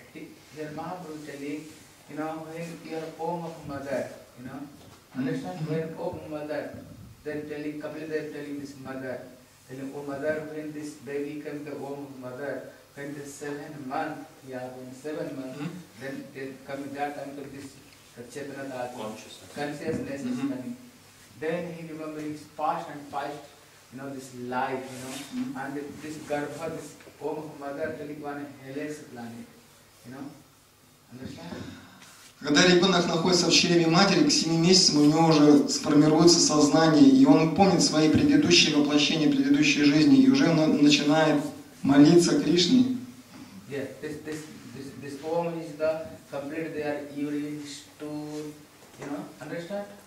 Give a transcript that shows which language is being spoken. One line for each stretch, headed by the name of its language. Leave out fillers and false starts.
English: Here Mahaprabhu telling, you know, when your home of mother, you know, understand, when home of mother, then telling, Kapila Dev telling this mother, telling, oh mother, when this baby comes the home of mother, when the 7 month, yeah, when 7 month, then come that time to this Chetana Dhatu, consciousness is coming. Then he remembers his past and past, you know, this life, you know. And this Garbha, this home of mother, telling one hellish planet, you know. Understand?
Russian: Когда ребенок находится в чреве матери, к 7 месяцам у него уже сформируется сознание, и он помнит свои предыдущие воплощения, предыдущие жизни, и уже он начинает молиться Кришне.
English: Yeah, this home is the complete their urine stool, you know, understand?